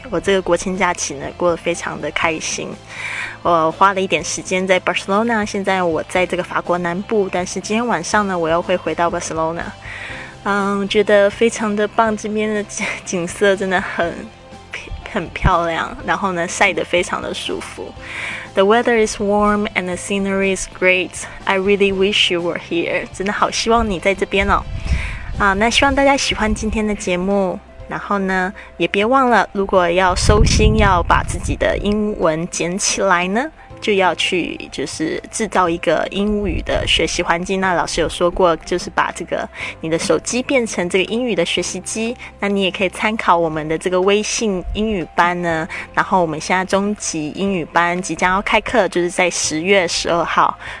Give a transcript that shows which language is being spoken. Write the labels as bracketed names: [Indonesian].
[Chinese] 我这个国庆假期呢过得非常的开心，我花了一点时间在 Barcelona， 现在我在这个法国南部，但是今天晚上呢我又会回到 Barcelona。觉得非常的棒，这边的景色真的很漂亮，然后呢晒得非常的舒服。 [English] The weather is warm and the scenery is great. I really wish you were here. [Chinese] 真的好希望你在这边哦。那希望大家喜欢今天的节目，然后呢也别忘了，如果要收心，要把自己的英文捡起来呢，就要去就是制造一个英语的学习环境。那老师有说过，就是把这个你的手机变成这个英语的学习机，那你也可以参考我们的这个微信英语班呢，然后我们现在中级英语班即将要开课，就是在10月12号，